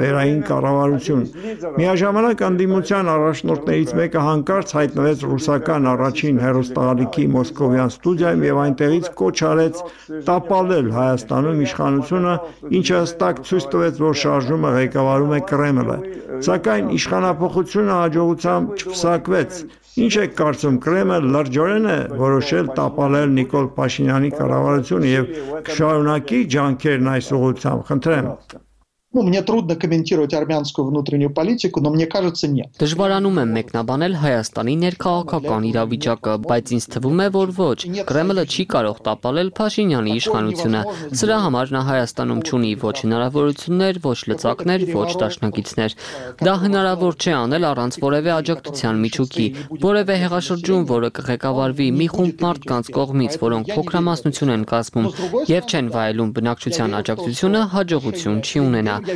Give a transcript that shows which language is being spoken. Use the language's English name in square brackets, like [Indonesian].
[Armenian] այն կառավարություն։ Միաժամանակ անդիմության առաջնորդներից մեկը հանկարծ հայտնվեց ռուսական առաջին հեռուստաալիքի մոսկովյան ստուդիայում և այնտեղից կոչ արեց տապալել Հայաստանում իշխանությունը, ինչը հստակ ցույց տվեց, որ շարժումը ղեկավարում է Կրեմլը։ Սակայն իշխանափոխությունը հաջողությամբ չփսակվեց։ Ինչ է կարծում, Կրեմը լրջորեն է որոշել տապալել Նիկոլ Փաշինյանի կառավարությունը և կշարունակի ջանքերն այս ուղղությամբ։ Խնդրեմ։ [Russian] Ну, мне трудно комментировать армянскую внутреннюю политику, но мне кажется, нет. [Armenian] Դժվարանում եմ մեկնաբանել Հայաստանի ներքաղաքական իրավիճակը, բայց ինձ թվում է, որ ոչ, Կրեմլը չի կարող տապալել Փաշինյանի իշխանությունը։ Սրա համար նա Հայաստանում չունի ոչ հնարավորություններ, ոչ լծակներ, ոչ դաշնակիցներ։ Դա հնարավոր չէ անել առանց որևէ աջակցության միջուկի, որևէ հեղաշրջում, որը կղեկավարվի մի խումբ մարդկանց կողմից, որոնք փոքրամասնություն են կազմում և չեն վայելում բնակչության աջակցությունը, հաջողություն չի ունենա։